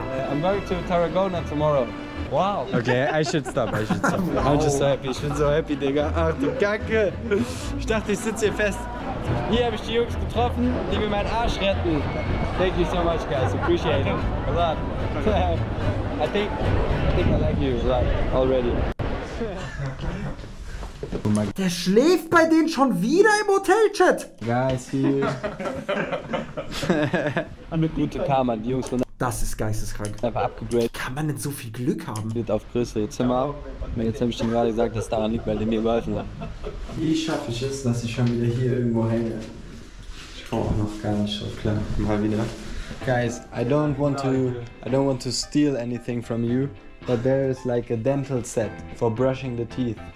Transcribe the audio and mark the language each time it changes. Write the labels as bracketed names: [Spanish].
[English] I'm going to Tarragona tomorrow. Wow. Okay, I should stop. Wow. I'm just so happy. [German] Ich bin so happy, Digga. Ach du Kacke. Ich dachte, ich sitze hier fest. Hier habe ich die Jungs getroffen, die mir meinen Arsch retten. [English] Thank you so much, guys. Appreciate it. A lot. I think I like you a lot already. [German] Oh mein Gott. Der schläft bei denen schon wieder im Hotel-Chat. [English] Guys, here. [German] Eine gute Karma, die Jungs von der... Das ist geisteskrank. Einfach upgraded. Kann man denn so viel Glück haben? Wird auf größere Zimmer. Ja, jetzt habe ich schon gerade gesagt, dass daran liegt, weil die mir geholfen hat. Wie schaffe ich es, dass ich schon wieder hier irgendwo hänge? Ich komme auch noch gar nicht so klar. Mal wieder. [English] Guys, I don't want to steal anything from you, but there is like a dental set for brushing the teeth.